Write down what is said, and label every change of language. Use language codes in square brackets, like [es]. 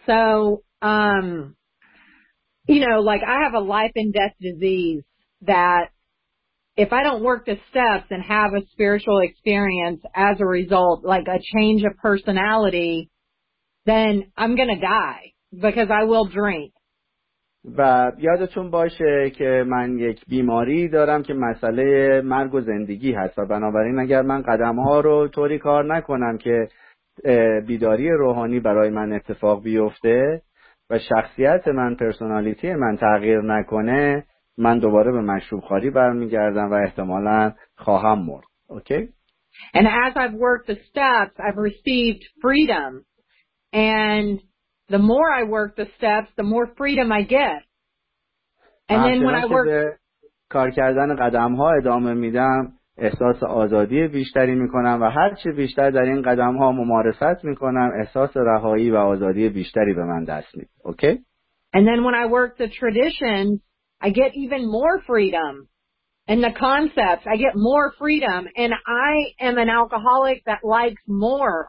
[en] So, you know, like I have a life and death disease that if I don't work the steps and have a spiritual experience as a result, like a change of personality, then I'm going to die because I will drink. [fa] و یادتون باشه که من یک بیماری دارم که مسئله مرگ و زندگی هست و بنابراین اگر من قدم‌ها رو طوری کار نکنم که بیداری روحانی برای من اتفاق بیفته و شخصیت من پرسونالیتی من تغییر نکنه من دوباره به مشروب خاری برمیگردم و احتمالاً خواهم مرد. [en] Okay? And as I've worked the steps, I've received freedom and the more I work the steps, the more freedom I get. And then when I work [fa] کار کردن قدم‌ها ادامه میدم، احساس آزادی بیشتری می‌کنم و هر چه بیشتر در این قدم‌ها ممارست می‌کنم، احساس رهایی و آزادی بیشتری به من دست میاد. [en] Okay? And then when I work the traditions, I get even more freedom. And the concepts, I get more freedom. And I am an alcoholic that likes more.